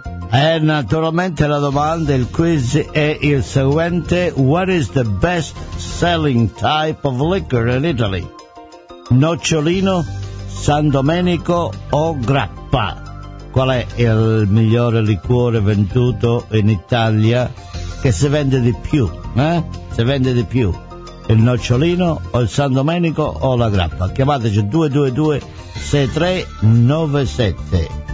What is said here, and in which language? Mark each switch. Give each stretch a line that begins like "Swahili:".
Italian: E naturalmente la domanda, il quiz è il seguente.
English: What is the best selling type of liquor in Italy?
Italian: Nocciolino, San Domenico o Grappa? Qual è il migliore liquore venduto in Italia che si vende di più, eh? Si vende di più. Il nocciolino o il San Domenico o la grappa? Chiamateci 222-6397.